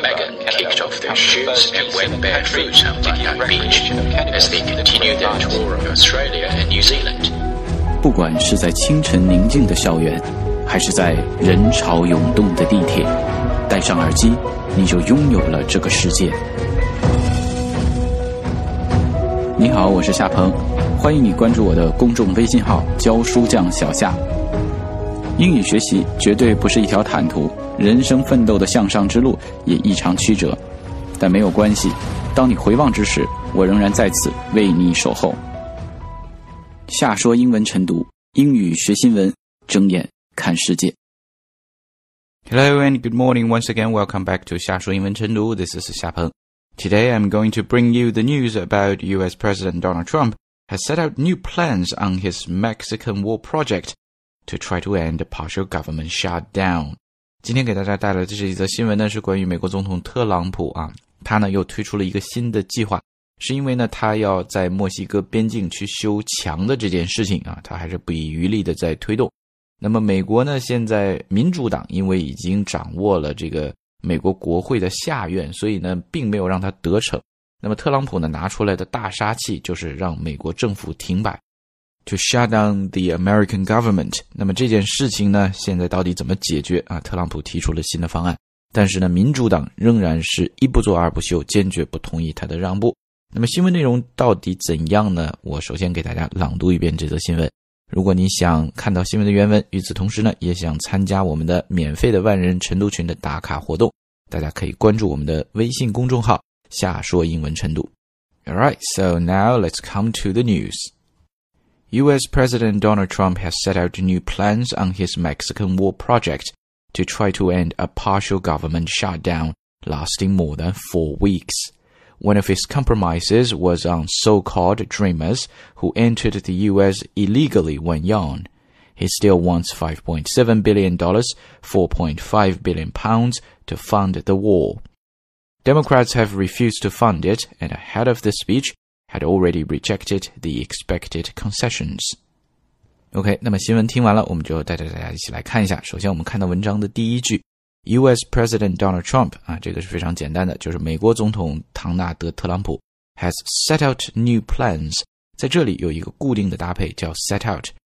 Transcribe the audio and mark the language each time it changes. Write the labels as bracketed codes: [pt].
[en] Megan kicked off their shoes and went barefoot on Bondi Beach as they continued their tour of Australia and New Zealand. [zh] 不管是在清晨宁静的校园，还是在人潮涌动的地铁，戴上耳机，你就拥有了这个世界。你好，我是夏鹏，欢迎你关注我的公众微信号教书匠小夏。英语学习绝对不是一条坦途，人生奋斗的向上之路也异常曲折，但没有关系，当你回望之时，我仍然在此为你守候。夏说英文晨读，英语学新闻，睁眼看世界。 [en] Hello and good morning once again. Welcome back to 夏说英文晨读。This is 夏鹏。 Today, I'm going to bring you the news about US President Donald Trump has set out new plans on his Mexican wall project to try to end a partial government shutdown. [zh] 今天给大家带来的这一则新闻呢，是关于美国总统特朗普啊，他呢又推出了一个新的计划，是因为呢他要在墨西哥边境去修墙的这件事情啊，他还是不遗余力的在推动。那么美国呢，现在民主党因为已经掌握了这个美国国会的下院，所以呢并没有让他得逞。那么特朗普呢拿出来的大杀器就是让美国政府停摆， [en] To shut down the American government。 [zh] 那么这件事情呢现在到底怎么解决啊？特朗普提出了新的方案，但是呢民主党仍然是一不做二不休，坚决不同意他的让步。那么新闻内容到底怎样呢？我首先给大家朗读一遍这则新闻。如果你想看到新闻的原文，与此同时呢，也想参加我们的免费的万人晨读群的打卡活动，大家可以关注我们的微信公众号“夏说英文晨读”。 [en] Alright, so now let's come to the news. U.S. President Donald Trump has set out new plans on his Mexican wall project to try to end a partial government shutdown lasting more than 4 weeks. One of his compromises was on so-called dreamers who entered the U.S. illegally when young. He still wants $5.7 billion, £4.5 billion to fund the wall. Democrats have refused to fund it and ahead of the speech had already rejected the expected concessions. [zh] OK, 那么新闻听完了，我们就带着大家一起来看一下。首先我们看到文章的第一句。 U.S. President Donald Trump, 啊，这个是非常简单的，就是美国总统唐纳德·特朗普 [en] has set out new plans. [zh] 在这里有一个固定的搭配叫 set out.